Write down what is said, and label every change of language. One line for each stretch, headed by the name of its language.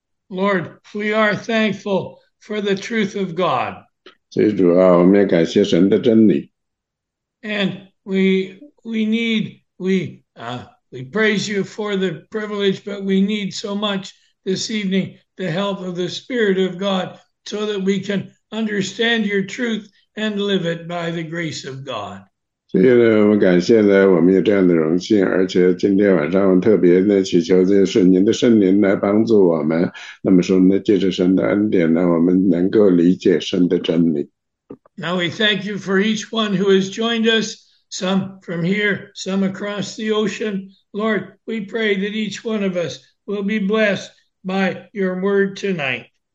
English: Lord, we are thankful for the truth of God.
Chinese: 这主啊，我们也感谢神的真理。
English: And we praise you for the privilege, but we need so much this evening the help of the Spirit of God so that we can understand your truth and live it by the grace of God.
Chinese: 所以呢，我们感谢呢，我们有这样的荣幸，而且今天晚上我们特别呢祈求，就是您的圣灵来帮助我们。那么说呢，借着神的恩典呢，我们能够理解神的真理。
English: Now we thank you for each one who has joined us, some from here, some across the ocean. Lord, we pray that each one of us will be blessed by your word tonight.